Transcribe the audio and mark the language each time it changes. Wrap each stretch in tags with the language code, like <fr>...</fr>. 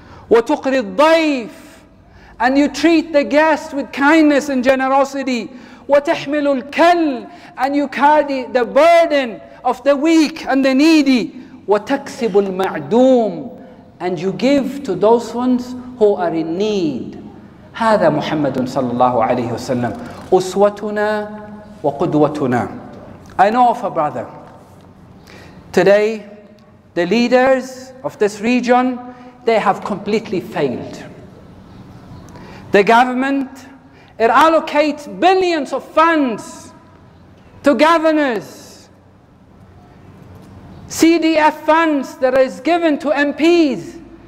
<ar>وَتُقْرِ الضَّيْفِ,</ar> <en>and you treat the guest with kindness and generosity.</en> <ar>وَتَحْمِلُ الْكَلْ,</ar> <en>and you carry the burden of the weak and the needy.</en> <ar>وَتَكْسِبُ الْمَعْدُومِ,</ar> <en>and you give to those ones who are in need.</en> <ar>هذا محمد صلى الله عليه وسلم أسوتنا وقدوتنا.</ar> <en>I know of a brother. Today, the leaders of this region, they have completely failed. The government, it allocates billions of funds to governors, CDF funds that is given to MPs.</en>